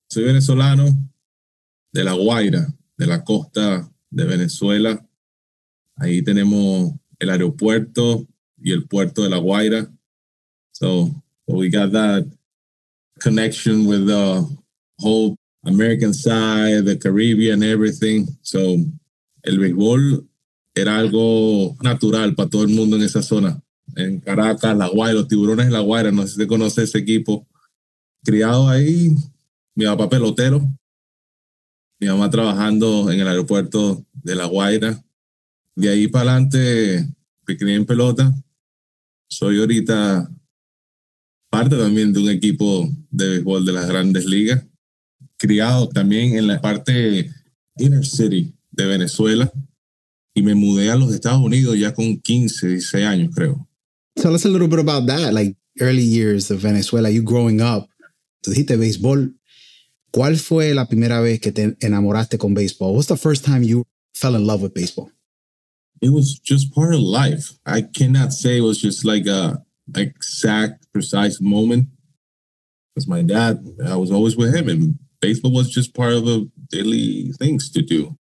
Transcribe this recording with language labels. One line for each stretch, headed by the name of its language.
Spanish: Soy venezolano de La Guaira, de la costa de Venezuela. Ahí tenemos el aeropuerto y el puerto de La Guaira.
English: So we got that connection with the whole American side, the Caribbean, everything.
Spanish: So el béisbol era algo natural para todo el mundo en esa zona. En Caracas, La Guaira, los Tiburones de La Guaira. No sé si te conoce ese equipo. Criado ahí, mi papá pelotero. Mi mamá trabajando en el aeropuerto de La Guaira. De ahí para adelante, me crié en pelota. Soy ahorita parte también de un equipo de béisbol de las grandes ligas. Criado también en la parte
English: inner city
Spanish: de Venezuela. Y me mudé a los Estados Unidos ya con 15, 16 años, creo.
English: Tell us a little bit about that, like early years of Venezuela, you growing up.
Spanish: Tú dijiste béisbol. ¿Cuál fue la primera vez que te enamoraste con béisbol?
English: What's the first time you fell in love with baseball? It was just part of life. I cannot say it was just like an exact, precise moment. Because my dad, I was always with him, and baseball was just part of the daily things to do.